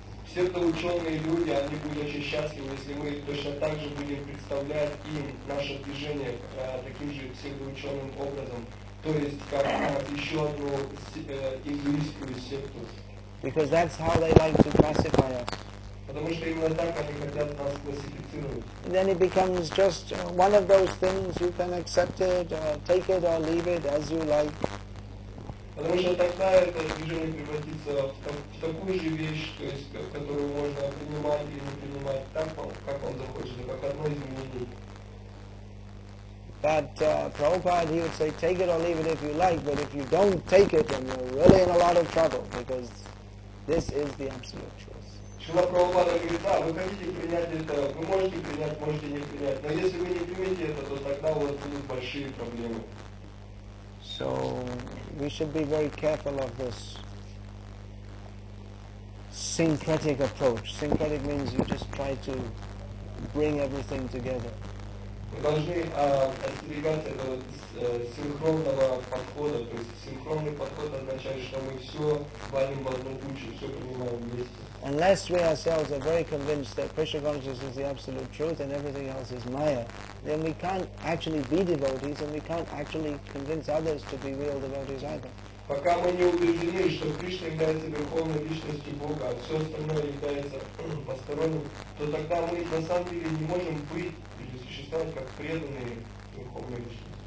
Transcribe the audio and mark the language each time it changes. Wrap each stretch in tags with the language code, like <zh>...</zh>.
<ru>Все это ученые люди, они будут очень счастливы, если мы точно так же будем представлять им наше движение таким же псевдоученым образом, то есть как еще одну индуистскую секту.</ru> <en>Because that's how they like to classify us.</en> <ru>Потому что именно так они хотят нас классифицировать.</ru> <en>Then it becomes just one of those things, you can accept it, or take it or leave it as you like.</en> <ru>Потому что тогда это движение превратится в такую же вещь, то есть, которую можно принимать или не принимать так, как он захочет, как одно изменение.</ru> <en>But Prabhupada, he would say, take it or leave it if you like, but if you don't take it, then you're really in a lot of trouble, because this is the absolute truth.</en> <ru>Шрила Прабхупада говорит, да, вы хотите принять это, вы можете принять, можете не принять, но если вы не примете это, то тогда у вас будут большие проблемы.</ru> <en>So we should be very careful of this syncretic approach. Syncretic means you just try to bring everything together.</en> <ru>Мы должны остерегаться этого синхронного подхода. То есть синхронный подход означает, что мы все валим в одну кучу, все принимаем вместе.</ru> <en>Unless we ourselves are very convinced that Krishna consciousness is the absolute truth and everything else is maya, then we can't actually be devotees and we can't actually convince others to be real devotees either.</en> <ru>Пока мы не убеждены, что Кришна является верховной личностью Бога, а все остальное является посторонним, то тогда мы на самом деле не можем быть или существовать как преданные верховной личности.</ru>